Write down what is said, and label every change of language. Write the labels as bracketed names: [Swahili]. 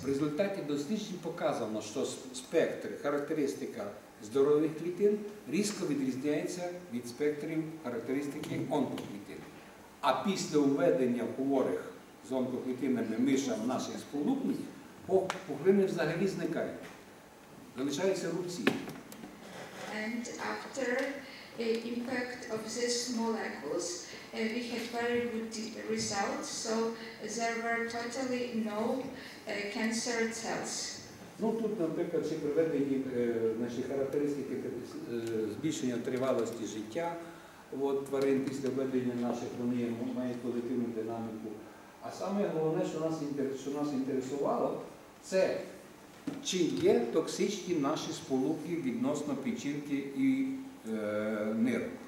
[Ukrainian] В результаті досліджень показано, що спектр, характеристика здорових клітин різко відрізняється від спектрів характеристики онкоклітин. А після введення хворих з онкоклітинами миша в наших сполуках, пухлини взагалі зникають. Залишаються рубці. [English] And after impact of these molecules, we had very good results, so there were totally no cancer cells. [Ukrainian] Ну, тут, наприклад, ці приведені наші характеристики збільшення тривалості життя от тварин після введення наших, вони мають позитивну динаміку. А саме головне, що нас інтересувало, це чи є токсичні наші сполуки відносно печінки і нирок.